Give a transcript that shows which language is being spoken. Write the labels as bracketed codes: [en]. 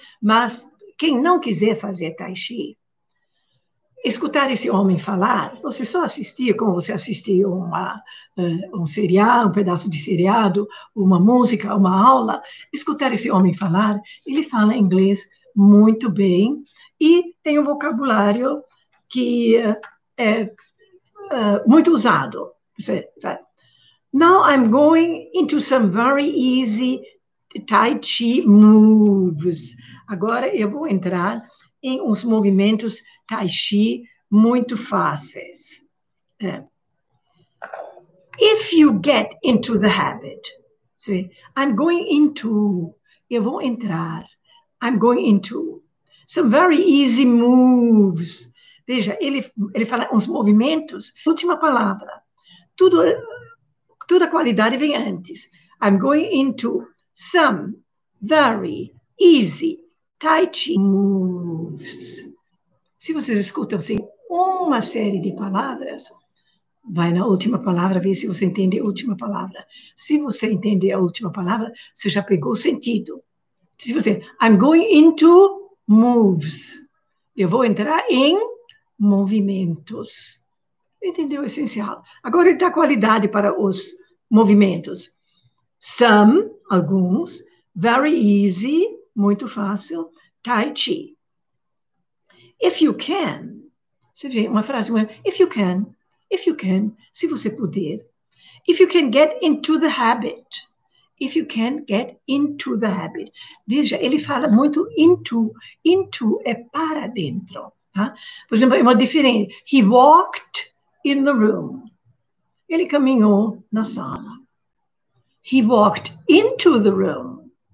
[pt] Mas quem não quiser fazer Tai Chi, escutar esse homem falar, você só assistir como você assistiu um seriado, um pedaço de seriado, uma música, uma aula, escutar esse homem falar, ele fala inglês muito bem e tem um vocabulário que é muito usado. [en] Now I'm going into some very easy Tai Chi moves. [pt] Agora eu vou entrar em uns movimentos Tai Chi muito fáceis. [en] If you get into the habit, see, I'm going into, [pt] eu vou entrar, [en] I'm going into some very easy moves. [pt] Veja, ele fala uns movimentos, última palavra. Toda a qualidade vem antes. [en] I'm going into some very easy Tai Chi moves. [pt] Se vocês escutam assim, uma série de palavras, vai na última palavra, vê se você entende a última palavra. Se você entende a última palavra, você já pegou o sentido. Se você, [en] I'm going into moves. [pt] Eu vou entrar em movimentos. Entendeu o essencial? Agora ele dá qualidade para os movimentos. [en] Some, [pt] alguns, [en] very easy, [pt] muito fácil, Tai Chi. [en] If you can, [pt] você vê uma frase, [en] if you can, [pt] se você puder. [en] If you can get into the habit, if you can get into the habit. [pt] Veja, ele fala muito into, into é para dentro. Por exemplo, é uma diferença. [en] He walked in the room. [pt] Ele caminhou na sala. [en] He walked into the room.